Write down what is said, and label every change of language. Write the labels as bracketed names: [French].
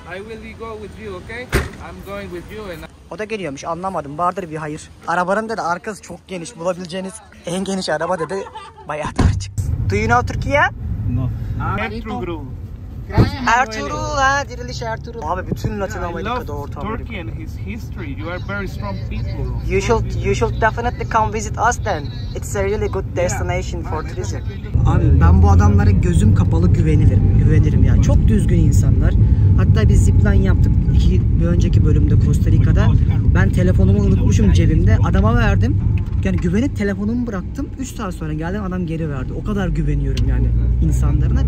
[English] I will go with you, okay? I'm going with you and [Turkish] O da geliyormuş, anlamadım. Vardır bir hayır. Arabanın dedi arkası çok geniş. Bulabileceğiniz en geniş araba dedi. Bayağı dar çık. [English] Do you know Türkiye? No. Ertuğrul. [Turkish] Ertuğrul, ha, diriliş Ertuğrul. Abi bütün Latin Amerika'da ortam. [English] Love Turkey and his history. You are very strong people. You should definitely come visit us then. It's a really good destination for tourism. [Turkish] Abi ben bu adamlara gözüm kapalı güvenirim ya. Çok düzgün insanlar. Hatta biz zipline yaptık bir önceki bölümde Costa Rica'da. Ben telefonumu unutmuşum cebimde. Adama verdim. Yani güvenip telefonumu bıraktım. 3 saat sonra geldim, adam geri verdi. O kadar güveniyorum yani insanlarına.